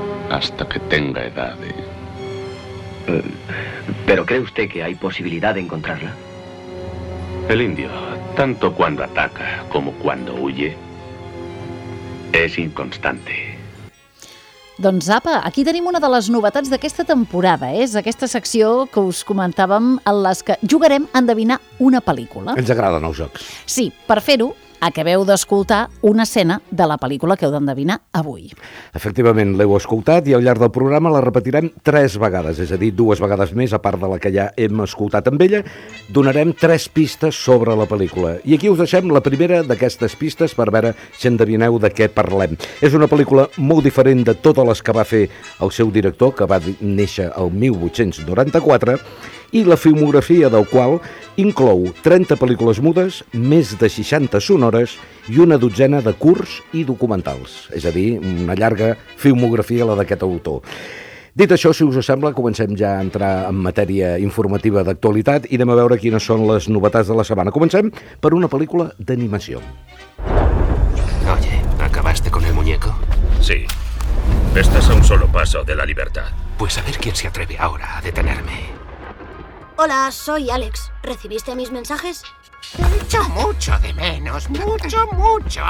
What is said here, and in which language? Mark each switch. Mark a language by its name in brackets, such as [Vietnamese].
[Spanish] Hasta que tenga edad de... ¿Pero cree usted que hay posibilidad de encontrarla? El indio, tanto cuando ataca como cuando huye, es inconstante. [Catalan] Doncs apa, aquí tenim una de les novetats d'aquesta temporada, és aquesta secció que us comentàvem en les que jugarem a endevinar una pel·lícula. Ens agraden els jocs. Sí, per fer-ho, acabeu d'escoltar una escena de la pel·lícula que heu d'endevinar avui. Efectivament, l'heu escoltat i al llarg del programa la repetirem tres vegades, és a dir, dues vegades més, a part de la que ja hem escoltat amb ella, donarem tres pistes sobre la pel·lícula. I aquí us deixem la primera d'aquestes pistes per veure si endevineu de què parlem. És una pel·lícula molt diferent de totes les que va fer el seu director, que va néixer el 1894, i la filmografia del qual inclou 30 pel·lícules mudes, més de 60 sonores i una dotzena de curts i documentals. És a dir, una llarga filmografia la d'aquest autor. Dit això, si us sembla, comencem ja a entrar en matèria informativa d'actualitat i anem a veure quines són les novetats de la setmana. Comencem per una pel·lícula d'animació. [Spanish] Oye, ¿acabaste con el muñeco? Sí. Estás a un solo paso de la libertad. Pues a ver quién se atreve ahora a detenerme. Hola, soy Alex. ¿Recibiste mis mensajes? Mucho, mucho de menos. Mucho, mucho.